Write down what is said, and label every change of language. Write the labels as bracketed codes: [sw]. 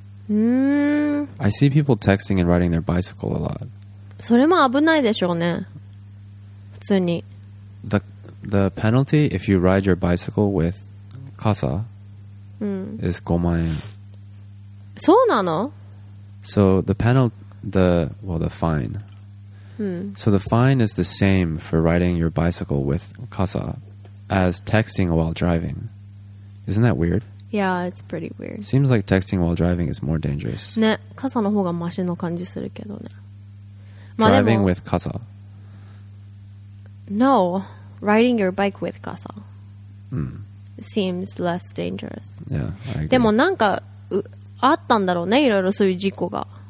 [en] I see people texting and riding their bicycle a lot. [ja] それも危ないでしょうね、普通に。 [en] The penalty if you ride your bicycle with 傘、うん、is 5万円。 [ja] そうなの？ [en] So the penalty, the, well, the fine、うん、So the fine is the same for riding your bicycle with 傘 as texting while driving. Isn't that weird? Yeah, it's pretty weird. Seems like texting while driving is more dangerous. [ja] ね、傘の方がマシの感じするけどね。 [en] まあ、driving with 傘。 No, riding your bike with 傘。うん。 Seems less dangerous. Yeah, I agree. [ja] でもなんかあったんだろうね、いろいろそういう事故が。